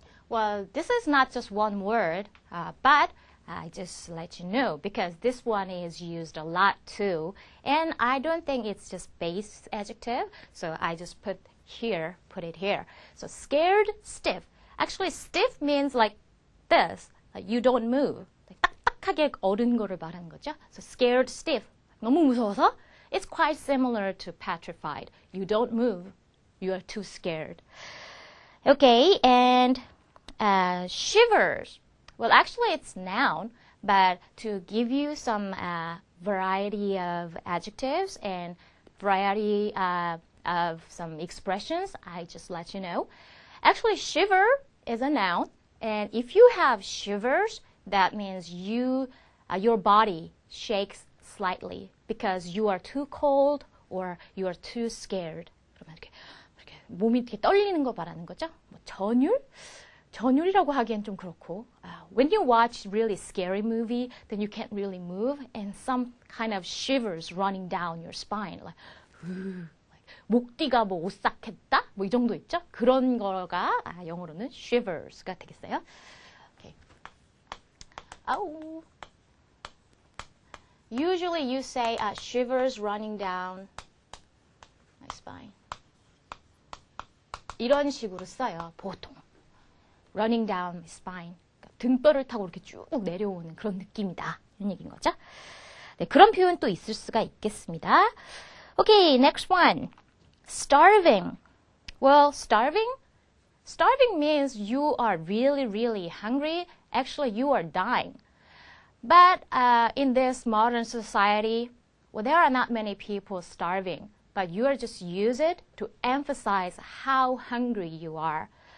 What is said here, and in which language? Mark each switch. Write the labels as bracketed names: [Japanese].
[English] Well, this is not just one word, but I just let you know because this one is used a lot too. And I don't think it's just base adjective. So I just put it here. So scared stiff. Actually, stiff means like this, like you don't move. [Korean] 딱딱하게 얼은 거를 말하는 거죠. [English] So scared stiff. [Korean] 너무 무서워서. [English] It's quite similar to petrified. You don't move. You are too scared. Okay, and shivers. Well, actually it's noun, but to give you some variety of adjectives and variety of some expressions, I just let you know. Actually, shiver is a noun. And if you have shivers, that means you, your body shakes slightly because you are too cold or you are too scared. [Korean] 그러면 이렇게 몸이 이렇게 떨리는 거 말하는 거죠. 뭐 전율? 전율이라고 하기엔 좀 그렇고. [English] When you watch really scary movie, then you can't really move and some kind of shivers running down your spine. [Korean] Like, 목디가 뭐 오싹했다? 뭐 이 정도 있죠? 그런 거가 아, 영어로는 shivers가 되겠어요. Okay. 아우. [English] Usually you say shivers running down my spine. [Korean] 이런 식으로 써요. 보통. [English] Running down my spine. [Korean] 그러니까 등뼈를 타고 이렇게 쭉 내려오는 그런 느낌이다. 이런 얘기인 거죠? 네, 그런 표현도 있을 수가 있겠습니다. [English] Okay, next one. Starving. Well, starving means you are really, really hungry. Actually, you are dying. But in this modern society, well, there are not many people starving, but you are just use it to emphasize how hungry you are.